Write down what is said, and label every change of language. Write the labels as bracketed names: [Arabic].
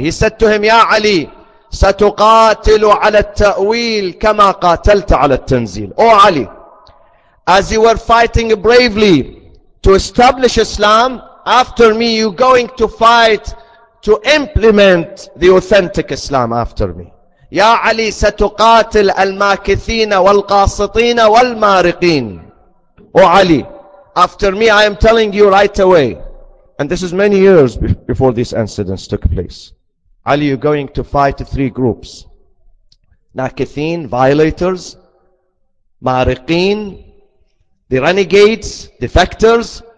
[English] He said to him, [Arabic] Ya Ali, سَتُقَاتِلُ عَلَى التَّأْوِيلِ كَمَا قَاتَلْتَ عَلَى التَّنْزِيلِ. [English] O Ali, as you were fighting bravely to establish Islam, after me you going to fight to implement the authentic Islam after me. [Arabic] Ya Ali, ستقاتل الماكثين والقاسطين والمارقين. [English] O Ali, after me, I am telling you right away. And this is many years before these incidents took place. Ali, you're going to fight three groups. Nakithin, violators. Mariqin, the renegades, defectors.